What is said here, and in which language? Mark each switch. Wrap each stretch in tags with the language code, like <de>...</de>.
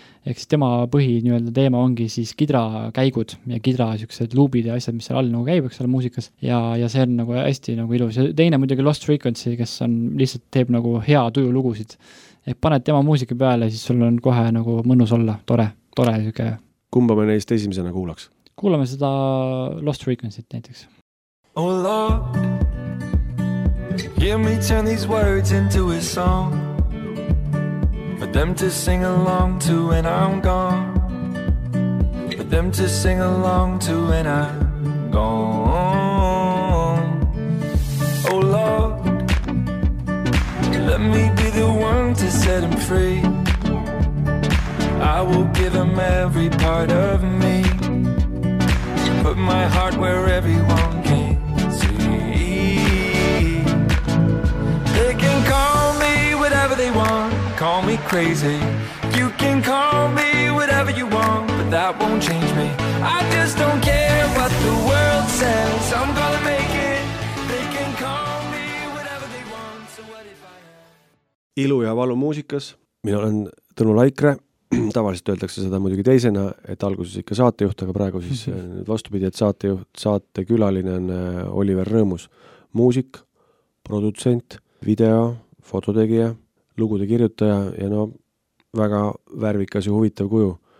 <et>Eks tema põhi nii-öelda teema ongi siis kidra käigud ja kidra siuksed luubid ja asjad, mis seal all nagu käib, eks ole muusikas ja see on nagu hästi nagu ilus. Ja teine muidugi Lost Frequency, kes on lihtsalt teeb nagu hea tuju lugusid. Ehk paned tema muusika peale, siis sul on kohe nagu mõnus olla, tore siuke. Kumba me neist esimesena kuulaks? Kuulame seda Lost Frequencyt näiteks.</et> <en>Oh Lord, hear me turn these words into a song. For them to sing along to when I'm gone. For them to sing along to when I'm gone. Oh Lord, let me be the one to set them free. I will give them every part of me. Put my heart where everyone can see. They can call me whatever they want. Call me crazy. You can call me whatever you want, but that won't change me. I just don't care what the world says. I'm gonna make it. They can call me whatever they want. So what if I have...</en> <et>Ilu ja valu muusikas. Mina olen Tõnu Laikre. Tavaliselt öeldakse seda muidugi teisena, et alguses ikka saatejuht, aga praegu siis vastupidi, et saatejuht, saate külaline on Oliver Rõõmus. Muusik, produtsent, video, fototegija. Lugude kirjutaja ja no väga värvikas ja huvitav kuju.</et>